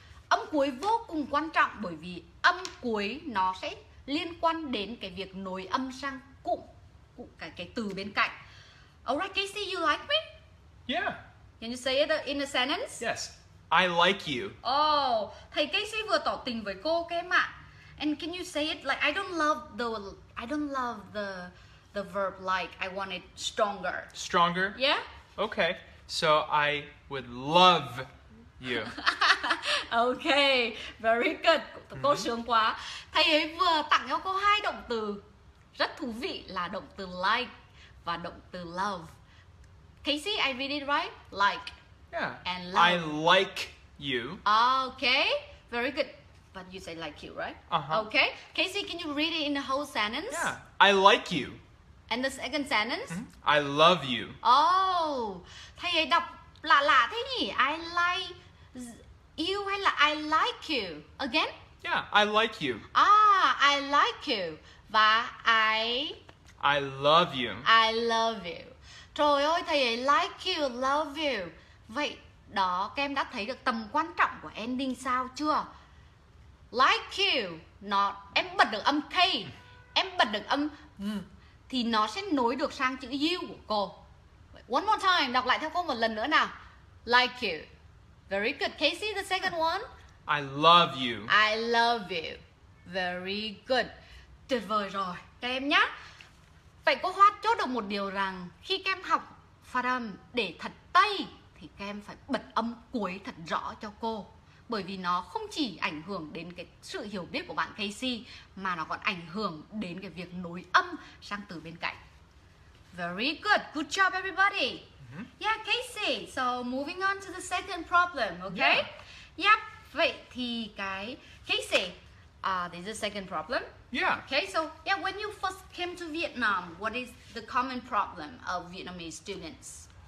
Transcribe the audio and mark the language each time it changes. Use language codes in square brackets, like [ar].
[vi] Âm cuối vô cùng quan trọng, bởi vì âm cuối nó sẽ liên quan đến cái việc nối âm sang cụm, cái từ bên cạnh. [en] Alright, Kasey, you like me? Yeah. Can you say it in a sentence? Yes, I like you. [vi] Oh, thầy Kasey vừa tỏ tình với cô kem ạ. [en] And can you say it like I don't love the verb like, I want it stronger. Stronger? Yeah. Okay, so I would love you. Okay, very good. [vi] Cô sướng quá. Thầy ấy vừa tặng cho cô hai động từ rất thú vị là động từ like và động từ love. [en] Kasey, I read it right? Like. Yeah. And love. I like you. Okay, very good. But you say like you, right? Uh-huh. Okay. Kasey, can you read it in the whole sentence? Yeah. I like you. And the second sentence? Mm-hmm. I love you. [vi] Oh, thầy ấy đọc lạ lạ thế nhỉ? [en] I like you [vi] hay là [en] I like you? Again? Yeah, I like you. Ah, I like you. Và I love you. I love you. [vi] Trời ơi, thầy ấy [en] like you, love you. [vi] Vậy đó, các em đã thấy được tầm quan trọng của ending sound chưa? [en] Like you, [vi] em bật được âm K, em bật được âm V, thì nó sẽ nối được sang chữ you của cô. [en] One more time, [vi] đọc lại theo cô một lần nữa nào. [en] Like you. Very good. Kasey, the second one. I love you. I love you. Very good. [vi] Tuyệt vời rồi, các em nhá. Vậy cô Hoa chốt được một điều rằng khi các em học phát âm để thật tây thì các em phải bật âm cuối thật rõ cho cô. Bởi vì nó không chỉ ảnh hưởng đến cái sự hiểu biết của bạn Kasey, mà nó còn ảnh hưởng đến cái việc nối âm sang từ bên cạnh. [en] Very good. Good job, everybody. Mm-hmm. Yeah, Kasey. So, moving on to the second problem, okay? Yeah. Yep. [vi] Vậy thì cái... [en] Kasey, this is the second problem. Yeah. Okay, so, yeah, when you first came to Vietnam, what is the common problem of Vietnamese students?